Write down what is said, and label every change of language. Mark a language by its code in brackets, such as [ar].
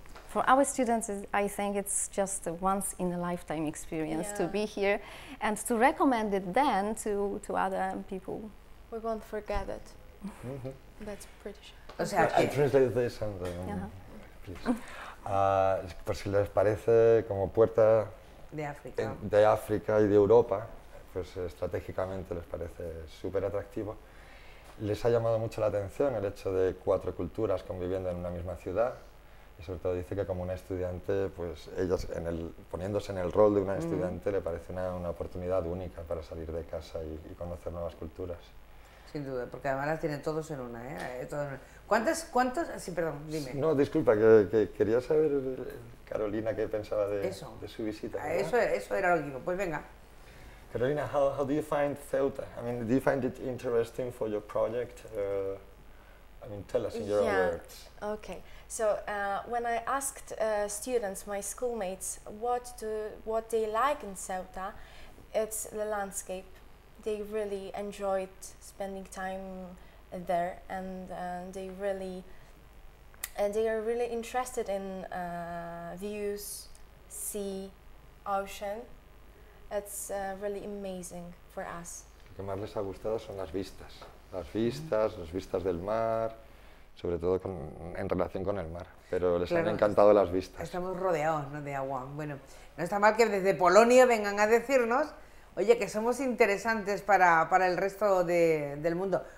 [en] For our students, I think it's just a once-in-a-lifetime experience, yeah. To be here and to recommend it then to other people. We won't forget it. Mm-hmm. That's pretty sure. [es] O sea, [en] I translate this and then, please. [es] Por si les parece, como puerta de África y de Europa, pues estratégicamente les parece súper atractivo. Les ha llamado mucho la atención el hecho de cuatro culturas conviviendo en una misma ciudad. Sobre todo dice que como una estudiante, pues ella poniéndose en el rol de una estudiante, le parece una oportunidad única para salir de casa y conocer nuevas culturas. Sin duda, porque además las tienen todos en una, ¿eh? Todos en una. ¿Cuántas? Sí, perdón, dime. No, disculpa, que quería saber, Carolina, qué pensaba de su visita. Eso era lo que iba. Pues venga. [en] Carolina, how do you find Ceuta? I mean, do you find it interesting for your project? I mean, tell us in your own words. Okay. So when I asked students, my schoolmates, what they like in Ceuta, it's the landscape. They really enjoyed spending time there, and they are really interested in views, sea, ocean. It's really amazing for us. [es] Lo que más les ha gustado son las vistas, mm-hmm. las vistas del mar. Sobre todo en relación con el mar, pero les claro, han encantado las vistas. Estamos rodeados, ¿no?, de agua. Bueno, no está mal que desde Polonia vengan a decirnos, oye, que somos interesantes para el resto del mundo.